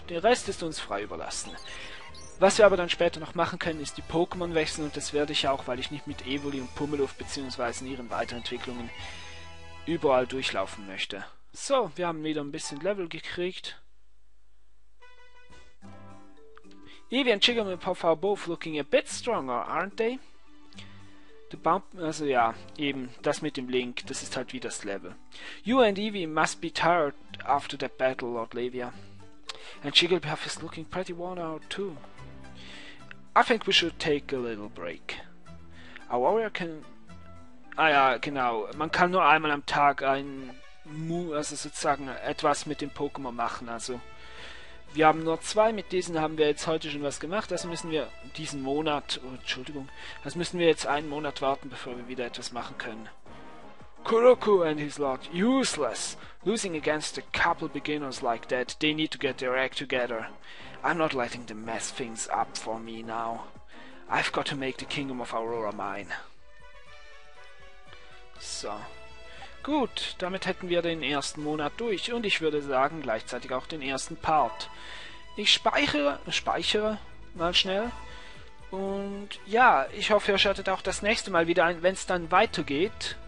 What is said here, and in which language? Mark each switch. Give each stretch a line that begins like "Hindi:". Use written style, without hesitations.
German: Der Rest ist uns frei überlassen. Was wir aber dann später noch machen können, ist die Pokémon wechseln und das werde ich auch, weil ich nicht mit Evoli und Pummeluff bzw. in ihren Weiterentwicklungen überall durchlaufen möchte. So, wir haben wieder ein bisschen Level gekriegt.
English: Eevee and Jigglypuff are both looking a bit stronger, aren't they?
German: Also ja, eben, das mit dem Link, das ist halt wie das Level.
English: You and Eevee must be tired after that battle, Lothlivia. And Jigglypuff is looking pretty worn out too. I think we should take a little break. A warrior can...
German: Ah ja, genau, man kann nur einmal am Tag ein... Also sozusagen etwas mit dem Pokémon machen, also... Wir haben nur zwei, mit diesen haben wir jetzt heute schon was gemacht, also müssen wir diesen Monat, oh, Entschuldigung, also müssen wir jetzt einen Monat warten, bevor wir wieder etwas machen können.
English: Kuroko and his lot, useless! Losing against a couple beginners like that, they need to get their act together. I'm not letting them mess things up for me now. I've got to make the Kingdom of Aurora mine. So.
German: Gut, damit hätten wir den ersten Monat durch und ich würde sagen, gleichzeitig auch den ersten Part. Ich speichere mal schnell und ja, ich hoffe, ihr schaltet auch das nächste Mal wieder ein, wenn es dann weitergeht.